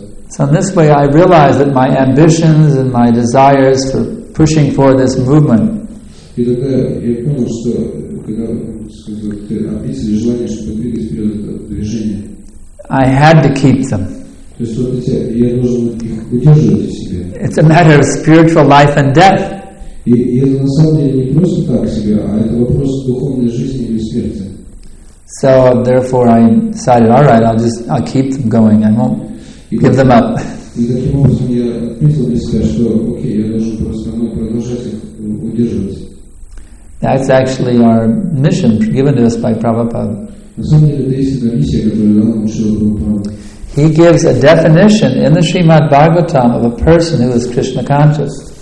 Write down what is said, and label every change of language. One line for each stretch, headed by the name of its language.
English: So in this way I realized that my ambitions and my desires for pushing forward this movement
Russian: Ты тогда, я понял, что когда сказать, ты описываешь желание, чтобы двигать вперед это движение.
English: I had to keep them.
Russian: То есть вот эти, я должен их удерживать в себе.
English: It's a matter of spiritual life and death.
Russian: И это на самом деле не просто так себе, а это вопрос духовной жизни или смерти.
English: So therefore I decided, all right, I'll keep them going, I won't give them up.
Russian: И таким образом я отметил для себя, что окей, я должен просто продолжать их удерживать.
English: That's actually our mission given to us by Prabhupada. He gives a definition in the Srimad Bhagavatam of a person who is Krishna conscious.